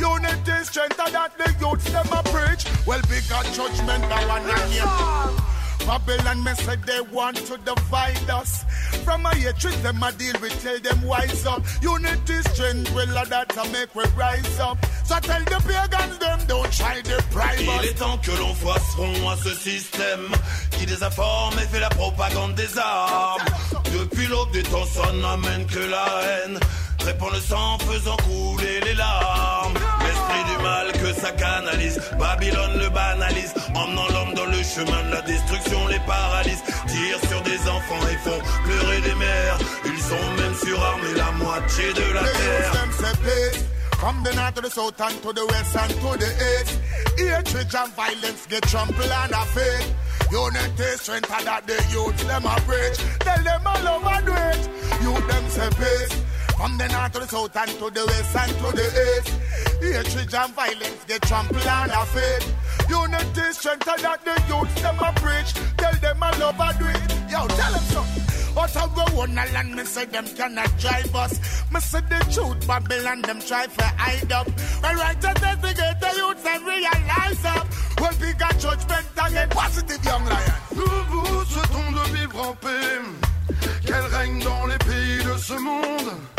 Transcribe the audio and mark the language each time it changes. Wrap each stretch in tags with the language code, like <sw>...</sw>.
<en>Unity, strength, and that the youth them a preach. Well, bigger judgment now and again. Babylon me say they want to divide us. From my hatred, them a deal, we tell them wise up. Unity, strength, will of that to make we rise up. So tell the pagans, them don't try to bribe us.</en> <fr>Il est temps que l'on fasse front à ce système qui désinforme et fait la propagande des armes. Depuis l'aube des temps, ça n'amène que la haine. Répand le sang faisant couler les larmes. L'esprit du mal que ça canalise, Babylone le banalise, emmenant l'homme dans le chemin de la destruction, les paralyse, tire sur des enfants et font pleurer des mères. Ils sont même surarmés la moitié de la terre.</fr> <en>From the north to the south and to the west and to the east. Hatred and violence get trampled on our feet. Unity, strength, and that the youth them a preach. Tell them all over the world, youth them say peace. From the north to the south and to the west and to the east. Hatred and violence get trampled on our feet. Unity, strength, and that the youth them a preach. Tell them all over the world. Yo, tell them something. But I go on a land, me say them cannot drive us. Me say the truth, Babylon, them try for hide up. When right at the gate, the youths and realize up. When we got judgment again, positive young lion.</en> <fr>Nous vous souhaitons de vivre en paix. Qu'elle règne dans les pays de ce monde.</fr>